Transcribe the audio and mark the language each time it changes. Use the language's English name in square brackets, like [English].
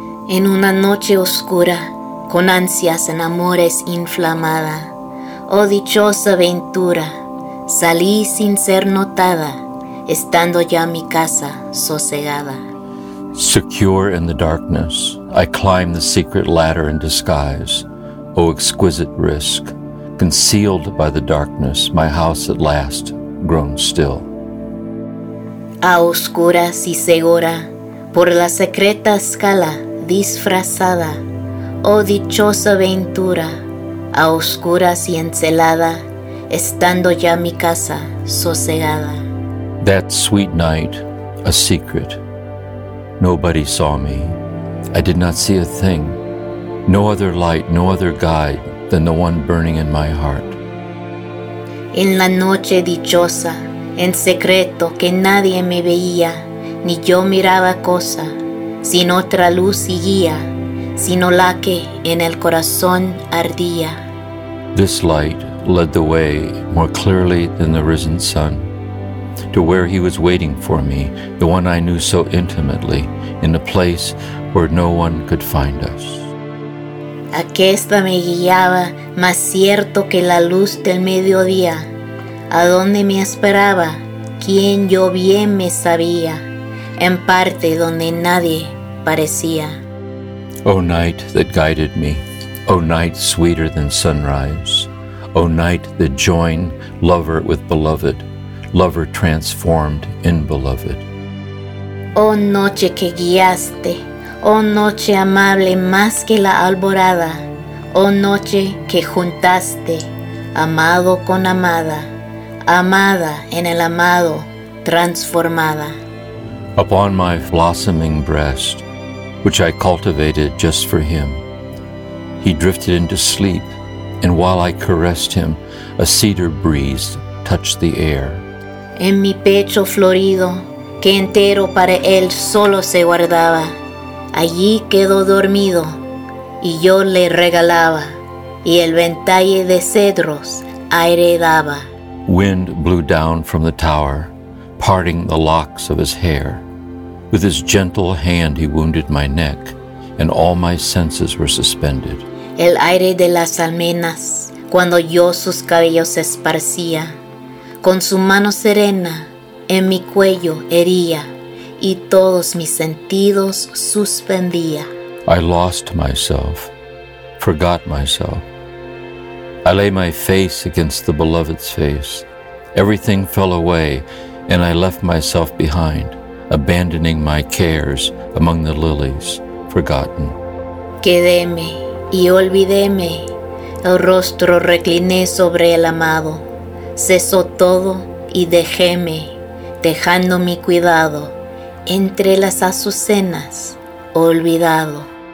[Spanish] En una noche oscura, con ansias en amores inflamada, oh dichosa aventura, salí sin ser notada, estando ya mi casa sosegada. [English] Secure in the darkness, I climb the secret ladder in disguise, oh exquisite risk, concealed by the darkness, my house at last grown still. [Spanish] A oscuras y segura, por la secreta escala disfrazada, oh dichosa aventura, a oscuras y encelada, estando ya mi casa sosegada. [English] That sweet night, a secret. Nobody saw me. I did not see a thing. No other light, no other guide than the one burning in my heart. [Spanish] En la noche dichosa, en secreto que nadie me veía, ni yo miraba cosa, sin otra luz y guía, sino la que en el corazón ardía. [English] This light led the way more clearly than the risen sun, to where he was waiting for me, the one I knew so intimately, in a place where no one could find us. [Spanish] Aquesta me guiaba más cierto que la luz del mediodía, a donde me esperaba, quien yo bien me sabía, en parte donde nadie parecía. [English] O night that guided me, O night sweeter than sunrise, O night that joined lover with beloved, lover transformed in beloved. [Spanish] Oh noche que guiaste, oh noche amable más que la alborada, oh noche que juntaste, amado con amada, amada en el amado transformada. [English] Upon my blossoming breast, which I cultivated just for him, he drifted into sleep, and while I caressed him, a cedar breeze touched the air. [Spanish] En mi pecho florido, que entero para él solo se guardaba, allí quedó dormido, y yo le regalaba, y el ventalle de cedros aire daba. [English] Wind blew down from the tower, parting the locks of his hair. With his gentle hand he wounded my neck, and all my senses were suspended. [Spanish] El aire de las almenas, cuando yo sus cabellos esparcía, con su mano serena en mi cuello hería, y todos mis sentidos suspendía. [English] I lost myself, forgot myself. I lay my face against the beloved's face. Everything fell away, and I left myself behind, abandoning my cares among the lilies, forgotten. [Spanish] Quedéme y olvidéme, el rostro recliné sobre el amado. Cesó todo y dejéme, dejando mi cuidado entre las azucenas, olvidado.